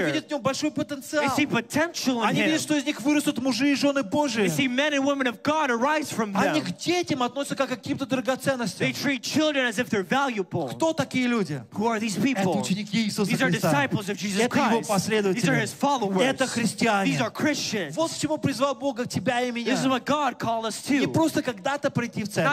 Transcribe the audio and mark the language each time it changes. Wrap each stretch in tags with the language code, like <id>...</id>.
<ru>Они видят в нем большой потенциал.</ru> <en>They see potential in him.</en> <ru>Они видят, что из них вырастут мужи и жены Божии.</ru> <en>They see men and women of God arise from them.</en> <ru>Они к детям относятся как к каким-то драгоценностям.</ru> <en>They treat children as if they're valuable.</en> <ru>Кто такие люди?</ru> <en>Who are these people?</en> <ru>Это ученики Иисуса Христа.</ru> <en>These are disciples of Jesus Christ.</en> <ru>Это его последователи.</ru> <en>These are his followers.</en> <ru>Это христиане.</ru> <en>These are Christians.</en> <ru>Вот к чему призвал Бог тебя и меня.</ru> <en>This is what God called us to.</en> <ru>Не просто когда-то прийти в церковь.</ru>